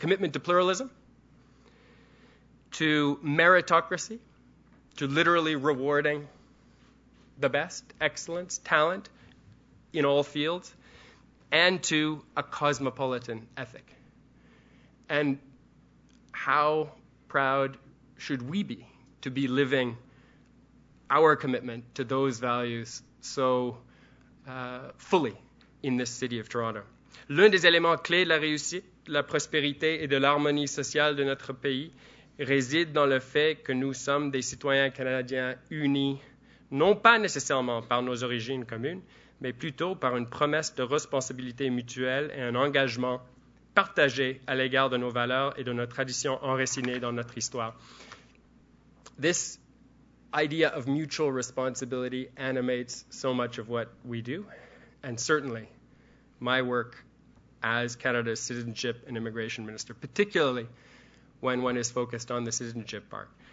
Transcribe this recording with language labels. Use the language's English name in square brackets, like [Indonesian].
[English] Commitment to pluralism, to meritocracy, to literally rewarding the best, excellence, talent in all fields, and to a cosmopolitan ethic. And how proud should we be to be living our commitment to those values so fully in this city of Toronto? [French] L'un des éléments clés de la réussite, de la prospérité et de l'harmonie sociale de notre pays réside dans le fait que nous sommes des citoyens canadiens unis, non pas nécessairement par nos origines communes, mais plutôt par une promesse de responsabilité mutuelle et un engagement partagé à l'égard de nos valeurs et de nos traditions enracinées dans notre histoire. [English] This idea of mutual responsibility animates so much of what we do, and certainly my work as Canada's citizenship and immigration minister, particularly when one is focused on the citizenship part.